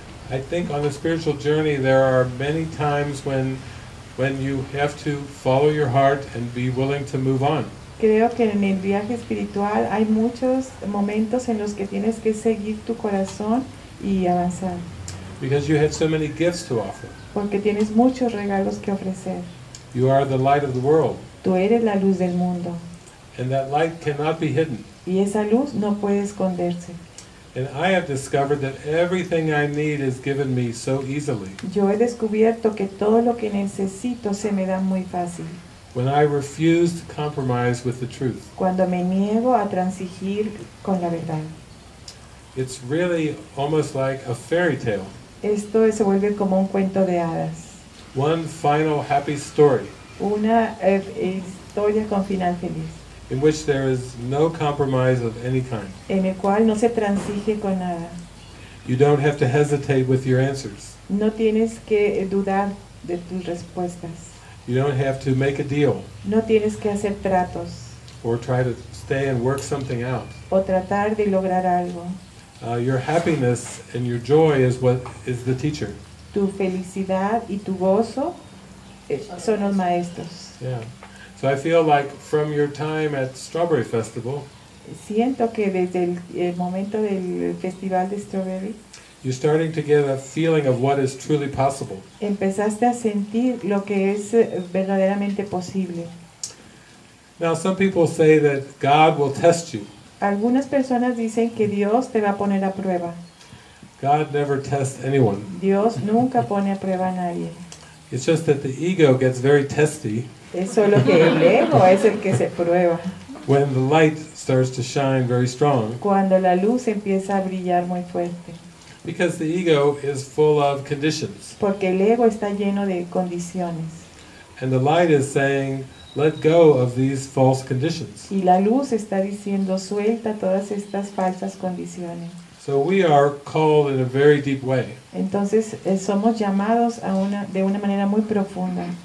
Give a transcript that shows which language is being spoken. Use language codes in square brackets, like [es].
[en] I think on the spiritual journey, there are many times when you have to follow your heart and be willing to move on. [es] Creo que en el viaje espiritual hay muchos momentos en los que tienes que seguir tu corazón y avanzar. [en] Because you have so many gifts to offer. [es] Porque tienes muchos regalos que ofrecer. [en] You are the light of the world. [es] Tú eres la luz del mundo. [en] And that light cannot be hidden. [es] Y esa luz no puede esconderse. [en] And I have discovered that everything I need is given me so easily. [es] Yo he descubierto que todo lo que necesito se me da muy fácil. [en] When I refuse to compromise with the truth. [es] Cuando me niego a transigir con la verdad. [en] It's really almost like a fairy tale. [es] Esto se vuelve como un cuento de hadas. [en] One final happy story. [es] Una historia con final feliz. [en] In which there is no compromise of any kind. [es] En el cual no se transige con nada. [en] You don't have to hesitate with your answers. [es] No tienes que dudar de tus respuestas. [en] You don't have to make a deal. [es] No tienes que hacer tratos. [en] Or try to stay and work something out. [es] O tratar de lograr algo. [en] Your happiness and your joy is what is the teacher. [es] Tu felicidad y tu gozo son los maestros. [en] Yeah. So I feel like from your time at Strawberry Festival. [es] Siento que desde el momento del festival de Strawberry. [en] You're starting to get a feeling of what is truly possible. [es] Empezaste a sentir lo que es verdaderamente posible. [en] Now, some people say that God will test you. [es] Algunas personas dicen que Dios te va a poner a prueba. [en] God never tests anyone. [es] Dios nunca pone a prueba a nadie. [en] It's just that the ego gets very testy. [es] Eso es lo que el ego es el que se prueba. [en] When the light starts to shine very strong. [es] Cuando la luz empieza a brillar muy fuerte. [en] Because the ego is full of conditions. [es] Porque el ego está lleno de condiciones. [en] And the light is saying, let go of these false conditions. [es] Y la luz está diciendo, suelta todas estas falsas condiciones. [en] So we are called in a very deep way. [es] Entonces somos llamados a una de una manera muy profunda.